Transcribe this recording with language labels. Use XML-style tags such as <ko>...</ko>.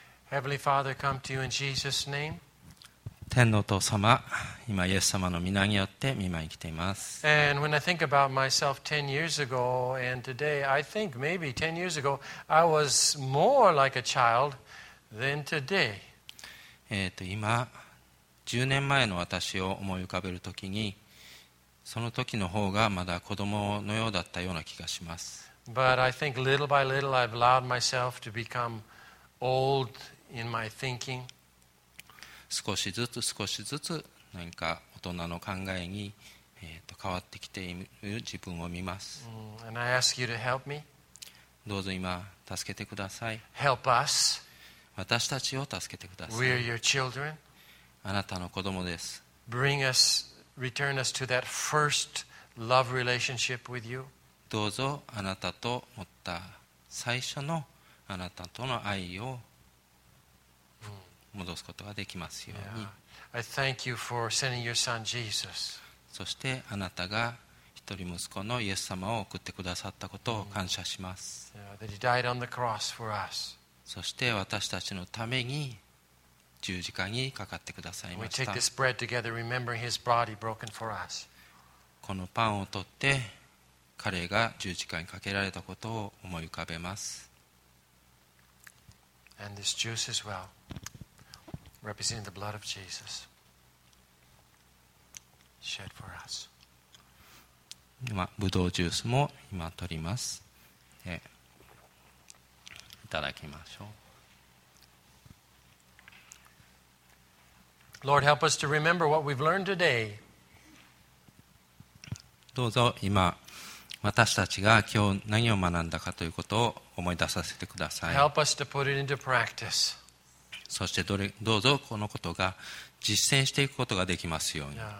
<en>Heavenly Father, come to you in Jesus' name.</en> <ja>天のお父様、今イエス様の御名によって御前に来ています。</ja> <en>And when I think about myself 10 years ago and today, I think maybe 10 years ago, I was more like a child than today.</en> <ja>今、10年前の私を思い浮かべるときに、その時の方がまだ子供のようだったような気がします。</ja> <en>But I think little by little I've allowed myself to become old in my thinking.</en> <ja>少しずつ少しずつ何か大人の考えに変わってきている自分を見ます。</ja> <en>And I ask you to help me.</en> <ja>どうぞ今助けてください。</ja> <en>Help us.</en> <ja>私たちを助けてください。</ja> <en>We are your children.</en> <ja>あなたの子供です。</ja> <en>Bring us, return us to that first love relationship with you.</en> <ja>どうぞあなたと持った最初のあなたとの愛を戻すことができますように。</ja> <en>Yeah. I thank you for sending your son Jesus.</en> <ja>そしてあなたが一人息子のイエス様を送ってくださったことを感謝します。</ja> <en>Yeah. That he died on the cross for us.</en> <ja>そして私たちのために十字架にかかってくださいました。</ja> <en>We take this bread together, remembering his body broken for us.</en> <ja>このパンを取って彼が十字架にかけられたことを思い浮かべます。</ja> <en>And this juice as well. Representing the blood of Jesus shed for us.</en> <ja>今ブドウジュースも今取ります。いただきましょう。</ja> <en>Lord, help us to remember what we've learned today.</en> <ja>どうぞ今私たちが今日何を学んだかということを思い出させてください。</ja> <en>Help us to put it into practice.</en> <ja>そして どうぞこのことが実践していくことができますように。</ja>